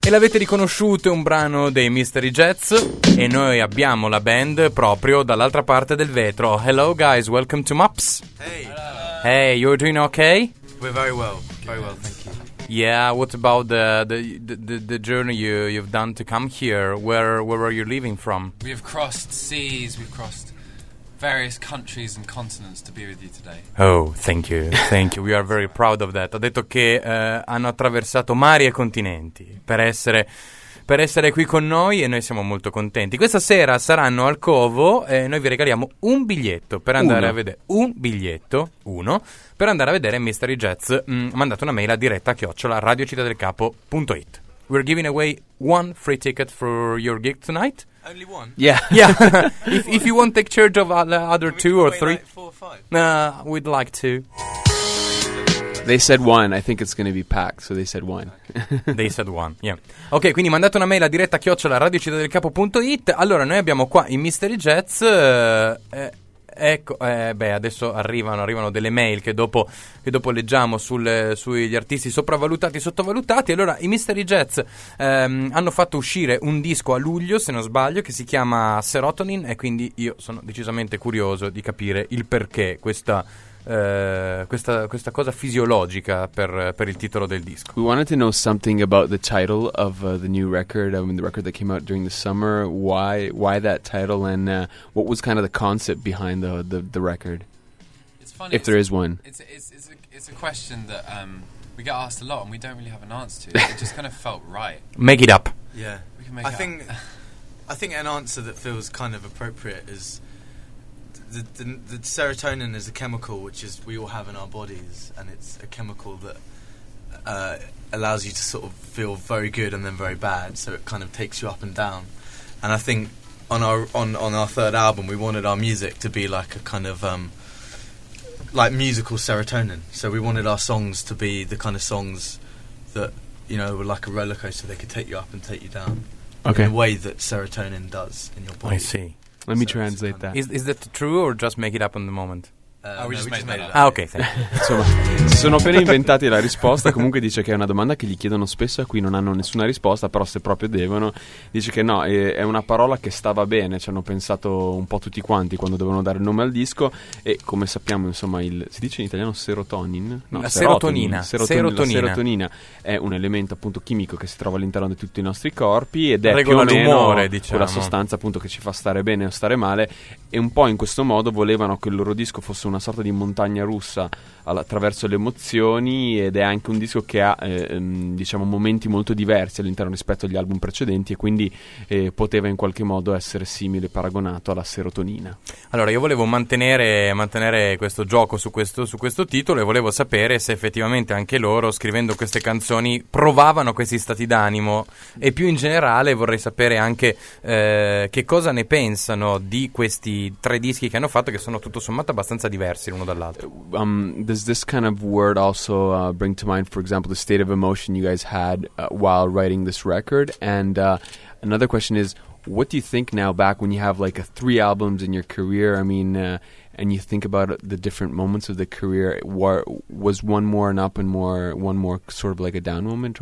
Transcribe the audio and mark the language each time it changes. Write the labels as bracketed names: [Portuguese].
[Italian] E l'avete riconosciuto, è un brano dei Mystery Jets. E noi abbiamo la band proprio dall'altra parte del vetro. [English] Hello guys, welcome to MUPS. Hey. Hello. Hey, you're doing okay? We're very well. Very well, thank you. Yeah, what about the journey you've done to come here? Where are you leaving from? We've crossed seas, we've crossed various countries and continents to be with you today. Oh, thank you. We are very proud of that. [Italian] Ha detto che hanno attraversato mari e continenti per essere qui con noi e noi siamo molto contenti. Questa sera saranno al Covo e noi vi regaliamo un biglietto per andare uno. A vedere un biglietto, uno, per andare a vedere Mystery Jets. Mandate una mail a diretta@radiocittadelcapo.it. [English] We're giving away one free ticket for your gig tonight. Only one? Yeah. if you won't take charge of the other two or three. Like four or five? We'd like to. They said one, I think it's going to be packed, so they said one. They said one, yeah. [Italian] Ok, quindi mandate una mail a diretta@radiocittadelcapo.it. Allora, noi abbiamo qua i Mystery Jets. Adesso arrivano delle mail che dopo leggiamo sugli artisti sopravvalutati e sottovalutati. Allora, i Mystery Jets hanno fatto uscire un disco a luglio, se non sbaglio, che si chiama Serotonin, e quindi io sono decisamente curioso di capire il perché questa cosa fisiologica per il titolo del disco. [English] We wanted to know something about the title of the new record, the record that came out during the summer. Why that title, and what was kind of the concept behind the record? It's funny, if there is one. It's a question that we get asked a lot, and we don't really have an answer to. It just kind of felt right. Make it up. Yeah, we can make I think an answer that feels kind of appropriate is. The serotonin is a chemical which is we all have in our bodies, and it's a chemical that allows you to sort of feel very good and then very bad, so it kind of takes you up and down. And I think on our third album we wanted our music to be like a kind of like musical serotonin, so we wanted our songs to be the kind of songs that, you know, were like a roller coaster. They could take you up and take you down. Okay. In a way that serotonin does in your body. I see. Let me translate that. Is that true or just make it up in the moment? We just made it up. Ah, ok, thank you. [Italian] Insomma, sono appena inventati la risposta. Comunque dice che è una domanda che gli chiedono spesso, a cui non hanno nessuna risposta, però se proprio devono, dice che no, è una parola che stava bene. Ci hanno pensato un po' tutti quanti quando dovevano dare il nome al disco. E come sappiamo, insomma, si dice in italiano serotonin? No, la serotonina è un elemento appunto chimico che si trova all'interno di tutti i nostri corpi ed è regola più o meno diciamo. Quella sostanza appunto che ci fa stare bene o stare male. E un po' in questo modo volevano che il loro disco fosse una sorta di montagna russa attraverso le emozioni, ed è anche un disco che ha diciamo momenti molto diversi all'interno rispetto agli album precedenti, e quindi poteva in qualche modo essere simile, paragonato alla serotonina. Allora, io volevo mantenere questo gioco su questo titolo, e volevo sapere se effettivamente anche loro, scrivendo queste canzoni, provavano questi stati d'animo, e più in generale vorrei sapere anche che cosa ne pensano di questi tre dischi che hanno fatto, che sono tutto sommato abbastanza diversi l'uno dall'altro. [English] Does this kind of word also bring to mind, for example, the state of emotion you guys had while writing this record? And another question is, what do you think now, back when you have like three albums in your career, I mean, and you think about the different moments of the career, was one more an up and one more sort of like a down moment?